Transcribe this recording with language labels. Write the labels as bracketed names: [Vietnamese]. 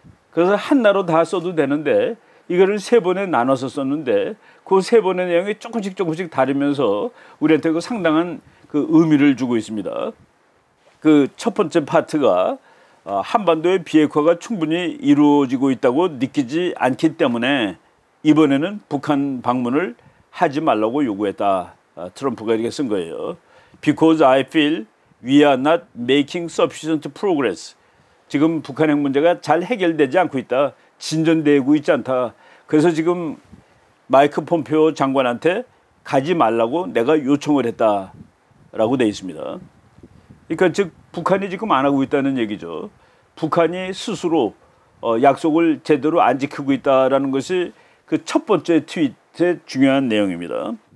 [Korean] 그래서 하나로 다 써도 되는데 이거를 세 번에 나눠서 썼는데 그 세 번의 내용이 조금씩 조금씩 다르면서 우리한테 그 상당한 그 의미를 주고 있습니다. 그 첫 번째 파트가 한반도의 비핵화가 충분히 이루어지고 있다고 느끼지 않기 때문에 이번에는 북한 방문을 하지 말라고 요구했다. 트럼프가 이렇게 쓴 거예요. [English] Because I feel we are not making sufficient progress. [Korean] 지금 북한 핵 문제가 잘 해결되지 않고 있다. 진전되고 있지 않다. 그래서 지금 마이크 폼페오 장관한테 가지 말라고 내가 요청을 했다. 라고 돼 있습니다. 그러니까 즉 북한이 지금 안 하고 있다는 얘기죠. 북한이 스스로 약속을 제대로 안 지키고 있다라는 것이 그 첫 번째 트윗의 중요한 내용입니다.